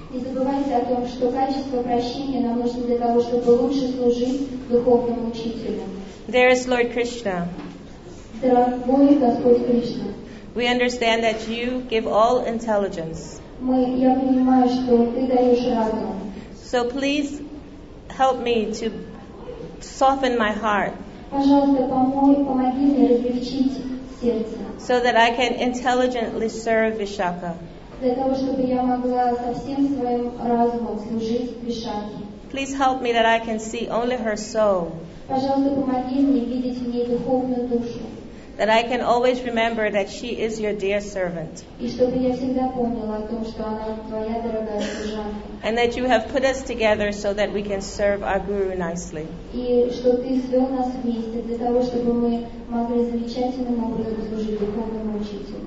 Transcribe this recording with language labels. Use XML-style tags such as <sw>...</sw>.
<en>There is Lord Krishna. We understand that you give all intelligence. So please help me to soften my heart.</en> <ru>Помоги мне разлегчить сердце.</ru> <en>So that I can intelligently serve Vishakha.</en> <ru>Для того, чтобы я могла со всем своим разумом служить Вишакхе.</ru> <en>Please help me that I can see only her soul.</en> <ru>Пожалуйста, помоги мне видеть в ней духовную душу.</ru> <en>That I can always remember that she is your dear servant.</en> <ru>И чтобы я всегда помнила о том, что она твоя дорогая служанка.</ru> <en>And that you have put us together so that we can serve our guru nicely.</en> <ru>И что ты свел нас вместе для того, чтобы мы могли замечательным образом служить духовному учителю.</ru>